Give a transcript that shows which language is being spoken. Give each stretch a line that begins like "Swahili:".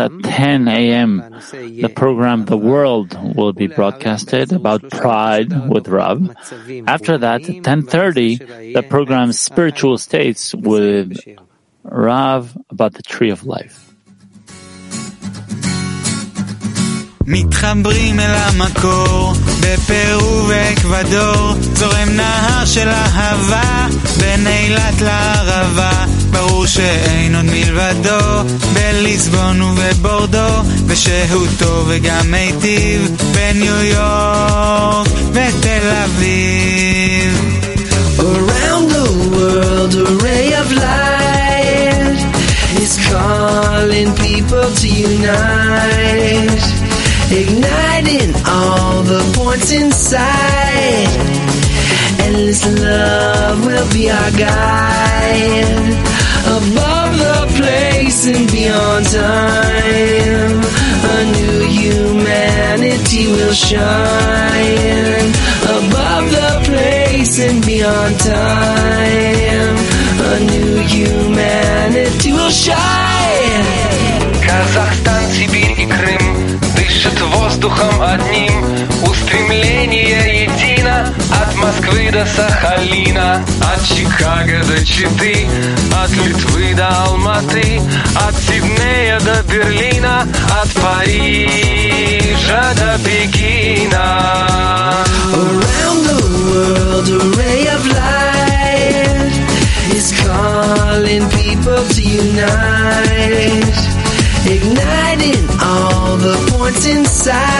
English: At 10 a.m., the program The World will be broadcasted about pride with Rav. After that, at 10:30, the program Spiritual States with Rav about the Tree of Life.
Hebrew: מתחברים אל המקור בפרו ואקוודור זורם נהר של אהבה בין אילת לערבה ברור שאין עוד מלבדו בליסבון ובבורדו ושהותו וגם מיטיב בניו יורק ותל אביב
English: Around the world a ray of light is calling people to unite igniting all the points inside. Endless love will be our guide. Above the place and beyond time, a new humanity will shine. Above the place and beyond time, a new humanity will shine.
Russian: Казахстан, Сибирь и Крым дышат воздухом одним. Устремление едино от Москвы до Сахалина, от Чикаго до Читы, от Литвы до Алматы, от Сиднея до Берлина, от Парижа до Пекина.
English: Around the world a ray of light is calling people to unite, igniting all the points inside.